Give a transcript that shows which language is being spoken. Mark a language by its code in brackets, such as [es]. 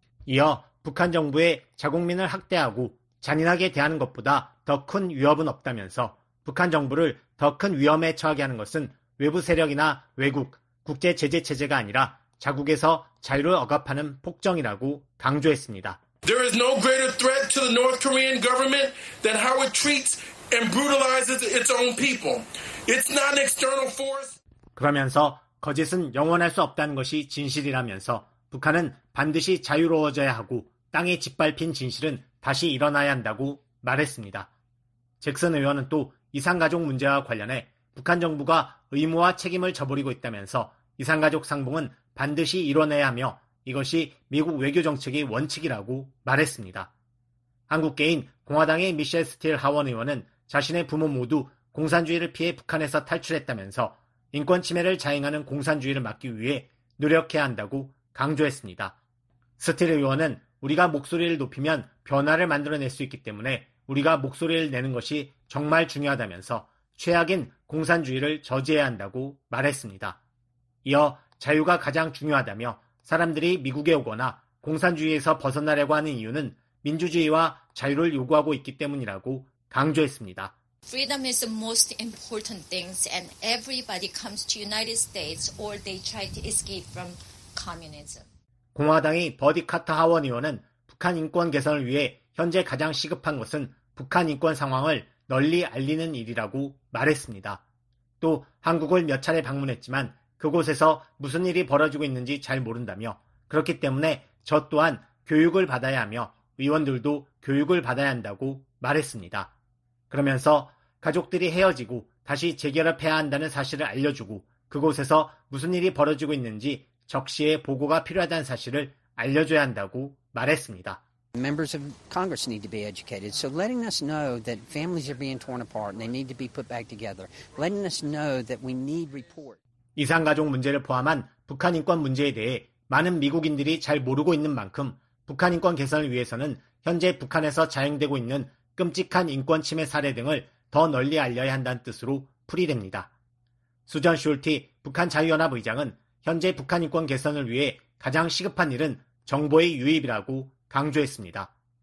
[ko] 이어 북한 정부의 자국민을 학대하고 잔인하게 대하는 것보다 더 큰 위협은 없다면서 북한 정부를 더 큰 위험에 처하게 하는 것은 외부 세력이나 외국, 국제 제재 체제가 아니라 자국에서 자유를 억압하는 폭정이라고 강조했습니다. [en] There is no greater threat to the North Korean government than how it treats and brutalizes its own people. It's not an external force. [ko] 그러면서 거짓은 영원할 수 없다는 것이 진실이라면서 북한은 반드시 자유로워져야 하고 땅에 짓밟힌 진실은 다시 일어나야 한다고 말했습니다. 잭슨 의원은 또 이산가족 문제와 관련해 북한 정부가 의무와 책임을 저버리고 있다면서 이산가족 상봉은 반드시 이뤄내야 하며 이것이 미국 외교 정책의 원칙이라고 말했습니다. 한국계인 공화당의 미셸 스틸 하원 의원은 자신의 부모 모두 공산주의를 피해 북한에서 탈출했다면서 인권 침해를 자행하는 공산주의를 막기 위해 노력해야 한다고 강조했습니다. 스틸 의원은 우리가 목소리를 높이면 변화를 만들어낼 수 있기 때문에 우리가 목소리를 내는 것이 정말 중요하다면서 최악인 공산주의를 저지해야 한다고 말했습니다. 이어 자유가 가장 중요하다며 사람들이 미국에 오거나 공산주의에서 벗어나려고 하는 이유는 민주주의와 자유를 요구하고 있기 때문이라고 강조했습니다. [en] Freedom is the most important thing and everybody comes to United States or they try to escape from communism. [ko] 공화당의 버디 카터 하원 의원은 북한 인권 개선을 위해 현재 가장 시급한 것은 북한 인권 상황을 널리 알리는 일이라고 말했습니다. 또 한국을 몇 차례 방문했지만 그곳에서 무슨 일이 벌어지고 있는지 잘 모른다며 그렇기 때문에 저 또한 교육을 받아야 하며 의원들도 교육을 받아야 한다고 말했습니다. 그러면서 가족들이 헤어지고 다시 재결합해야 한다는 사실을 알려주고 그곳에서 무슨 일이 벌어지고 있는지 적시에 보고가 필요하다는 사실을 알려줘야 한다고 말했습니다. [en] Members of Congress need to be educated. So letting us know that families are being torn apart and they need to be put back together. Letting us know that we need report. [ko] 이산가족 문제를 포함한 북한 인권 문제에 대해 많은 미국인들이 잘 모르고 있는 만큼 북한 인권 개선을 위해서는 현재 북한에서 자행되고 있는 끔찍한 인권 침해 사례 등을 더 널리 알려야 한다는 뜻으로 풀이됩니다. 수전 슐티 북한 자유연합 의장은 현재 북한 인권 개선을 위해 가장 시급한 일은 정보의 유입이라고 강조했습니다.